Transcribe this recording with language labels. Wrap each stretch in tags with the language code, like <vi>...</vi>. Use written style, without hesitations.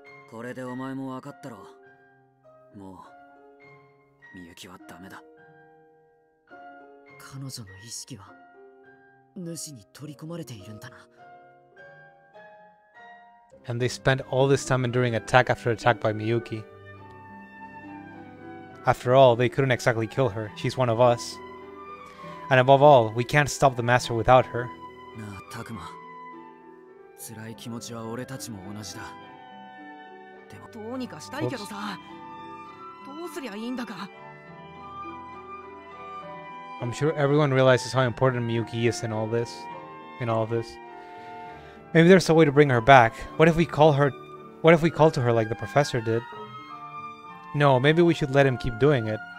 <ja>これでお前も分かったろ。もう、みゆきはダメだ。彼女の意識は、主に取り込まれているんだな。</ja> <en>And they spent all this time enduring attack after attack by Miyuki. After all, they couldn't exactly kill her. She's one of us. And above all, we can't stop the master without her.</en> <ja>なあ、タクマ。辛い気持ちは俺たちも同じだ。でもどうにかしたいけどさ。どうすりゃいいんだか。</ja> <en>I'm sure everyone realizes how important Miyuki is in all this. Maybe there's a way to bring her back. What if we call to her like the professor did? No, maybe we should let him keep doing it.</en>